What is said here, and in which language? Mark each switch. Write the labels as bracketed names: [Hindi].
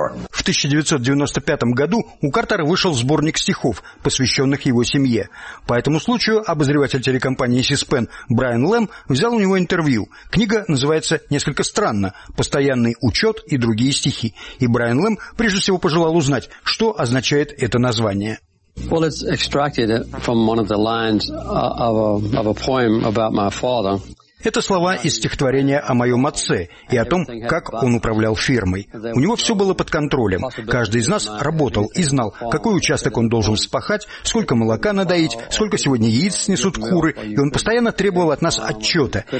[Russian] В 1995 году у Картера вышел сборник стихов, посвященных его семье. По этому случаю обозреватель телекомпании C-SPAN Брайан Лэм взял у него интервью. Книга называется «Несколько странно. Постоянный учет и другие стихи». И Брайан Лэм прежде всего пожелал узнать, что означает это название. [English] Well, it's extracted from one of the lines of a poem about my father. [Russian] Это слова из стихотворения о моем отце и о том, как он управлял фирмой. У него все было под контролем. Каждый из нас работал и знал, какой участок он должен вспахать, сколько молока надоить, сколько сегодня яиц снесут куры, и он постоянно требовал от нас отчета.